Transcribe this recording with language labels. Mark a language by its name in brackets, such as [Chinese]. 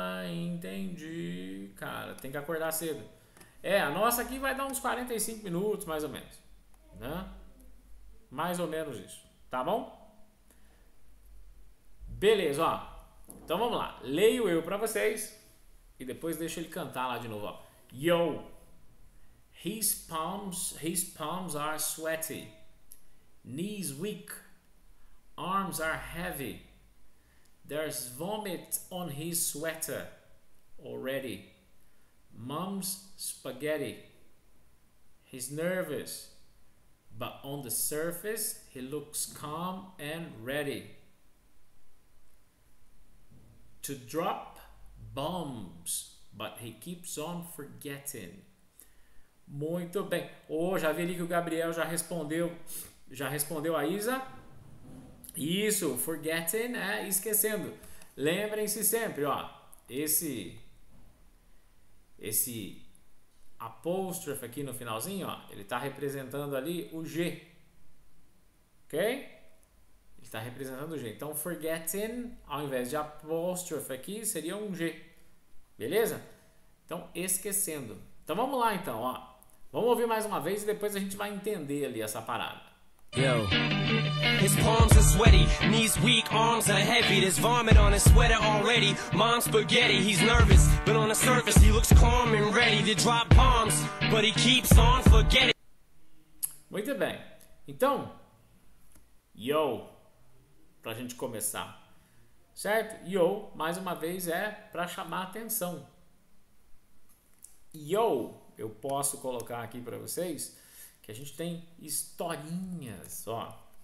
[Portuguese] Entendi, cara. Tem que acordar cedo. É, a nossa aqui vai dar uns 45 minutos, mais ou menos, né? Mais ou menos isso, tá bom? Beleza, ó. Então vamos lá. Leio eu pra vocês e depois deixo ele cantar lá de novo, ó. [English] Yo, his palms are sweaty, knees weak, arms are heavy. There's vomit on his sweater already. Mom's spaghetti. He's nervous. But on the surface, he looks calm and ready. To drop bombs, but he keeps on forgetting. [Portuguese] Muito bem. Oh, já vi ali que o Gabriel já respondeu a Isa. Isso, forgetting é esquecendo. Lembrem-se sempre, ó. Esse apóstrofe aqui no finalzinho, ó, ele tá representando ali o G. Ok? Ele tá representando o G. Então, forgetting, ao invés de apóstrofe aqui, seria um G. Beleza? Então, esquecendo. Então, vamos lá, então, ó. Vamos ouvir mais uma vez e depois a gente vai entender ali essa parada. [English] Yo, his palms are sweaty, knees weak, arms are heavy. There's vomit on his sweater already. Mom's spaghetti, he's nervous. But on the surface, he looks calm and ready to drop bombs. But he keeps on forgetting. [Portuguese] Muito bem. Então, yo, pra gente começar. Certo? Yo, mais uma vez, é para chamar atenção. Yo, eu posso colocar aqui para vocês que a gente tem historinhas, ó.